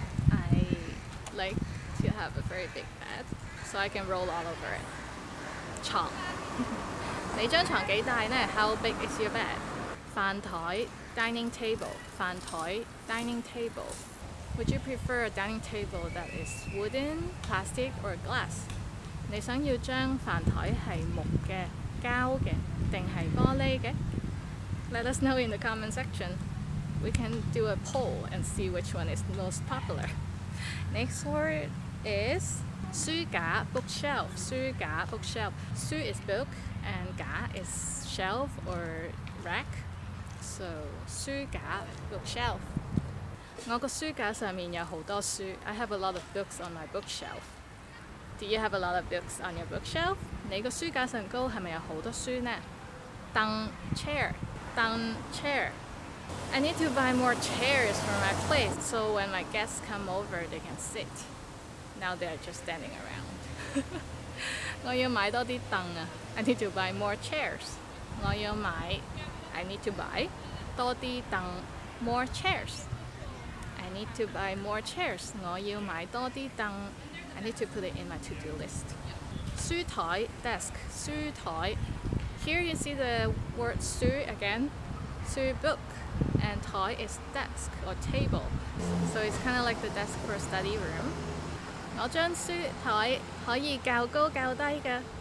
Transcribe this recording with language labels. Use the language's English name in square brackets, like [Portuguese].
[English] I like to have a very big bed, so I can roll all over it. [Cantonese] 床.你张床几大呢? [English] How big is your bed? [Cantonese] 饭台, dining table. 饭台, [English] dining table. Would you prefer a dining table that is wooden, plastic, or glass? [Cantonese] 你想要张饭台是木的、胶的，定系玻璃的？ [English] Let us know in the comment section. We can do a poll and see which one is most popular. Next word is [Cantonese] 书架, bookshelf. 书架, bookshelf. [English] 书 is book and 架 is shelf or rack. So 书架, bookshelf. [Cantonese] 我的书架上面有很多书. [English] I have a lot of books on my bookshelf. Do you have a lot of books on your bookshelf? [Cantonese] 你的书架上高是不是有很多书呢? 凳, chair. 凳, chair. [English] I need to buy more chairs for my place so when my guests come over, they can sit. Now they're just standing around. [Cantonese] 我要买多些凳啊. [English] I need to buy more chairs. [Cantonese] 我要买, [English] I need to buy [Cantonese] 多些凳, [English] more chairs. I need to buy more chairs. [Cantonese] 我要买多些凳. [English] I need to put it in my to-do list. [Cantonese] 书台, desk. 书台. [English] Here you see the word 书 again. 书, book. And 台 is desk or table. So it's kind of like the desk for a study room. [Cantonese] 我张书台可以较高较低的.